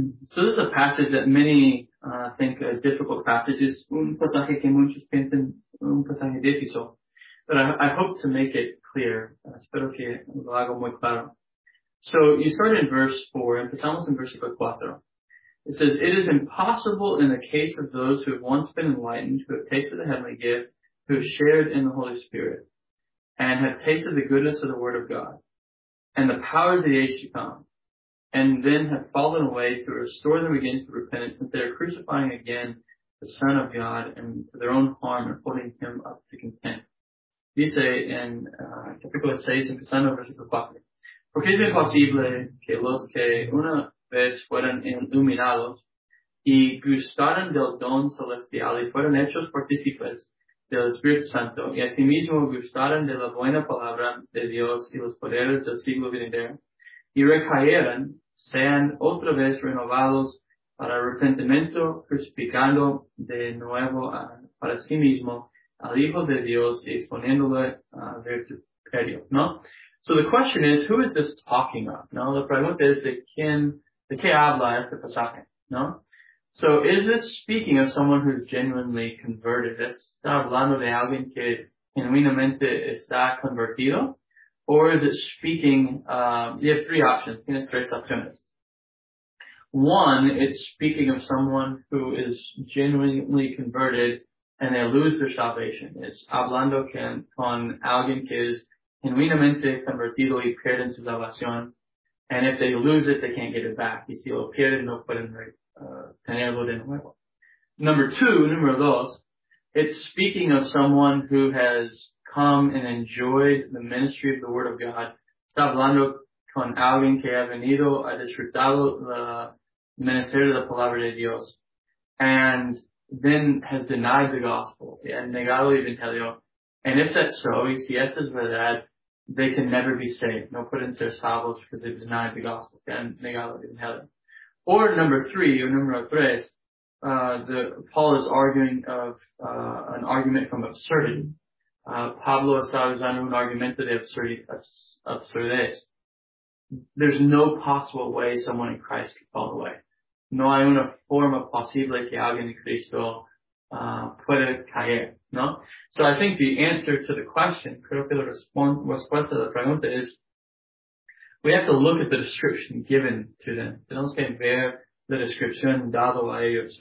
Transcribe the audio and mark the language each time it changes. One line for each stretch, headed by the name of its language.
English: So this is a passage that many think are difficult passages.
Spanish: Un pasaje que muchos piensan un pasaje difícil.
English: But I hope to make it clear.
Spanish: Espero que lo hago muy claro.
English: So you start in verse 4,
Spanish: empezamos en versículo 4.
English: It says, it is impossible in the case of those who have once been enlightened, who have tasted the heavenly gift, who have shared in the Holy Spirit, and have tasted the goodness of the Word of God, and the powers of the age to come, and then have fallen away to restore them again to repentance, since they are crucifying again the Son of God, and to their own harm, and holding him up to contempt.
Spanish: Dice en capítulo 6, empezando versículo 4. ¿Por qué es imposible que los que una vez fueron iluminados y gustaron del don celestial y fueron hechos partícipes del Espíritu Santo y asimismo gustaron de la buena palabra de Dios y los poderes del siglo venidero y recayeran, sean otra vez renovados para arrepentimiento, crucificando de nuevo para sí mismo al Hijo de Dios y exponiéndole a vituperio, ¿no?
English: So the question is, who is this talking of?
Spanish: No, la pregunta es de qué habla este pasaje, no?
English: So is this speaking of someone who's genuinely converted?
Spanish: ¿Está hablando de alguien que genuinamente está convertido?
English: Or is it speaking, you have three options.
Spanish: Tienes tres opciones.
English: One, it's speaking of someone who is genuinely converted and they lose their salvation.
Spanish: It's hablando con alguien que es genuinamente convertido y pierden su salvación.
English: And if they lose it, they can't get it back.
Spanish: Y si lo pierden, no pueden tenerlo de nuevo. Número dos,
English: it's speaking of someone who has come and enjoyed the ministry of the Word of God.
Spanish: Está hablando con alguien que ha venido a disfrutar la ministerio de la palabra de Dios.
English: And then has denied the gospel. Yeah,
Spanish: negado el evangelio.
English: And if that's so,
Spanish: y si esto es verdad,
English: they can never be saved.
Spanish: No pueden ser salvos
English: because they've denied the gospel.
Spanish: And negado el evangelio.
English: Or
Spanish: número tres,
English: Paul is arguing of an argument from absurdity.
Spanish: Pablo está usando un argumento de absurdez.
English: There's no possible way someone in Christ could fall away.
Spanish: No hay una forma posible que alguien en Cristo pueda caer, ¿no?
English: So I think the answer to the question,
Spanish: creo que la respuesta a la pregunta es,
English: we have to look at the description given to them.
Spanish: Tenemos que ver la descripción dado a ellos.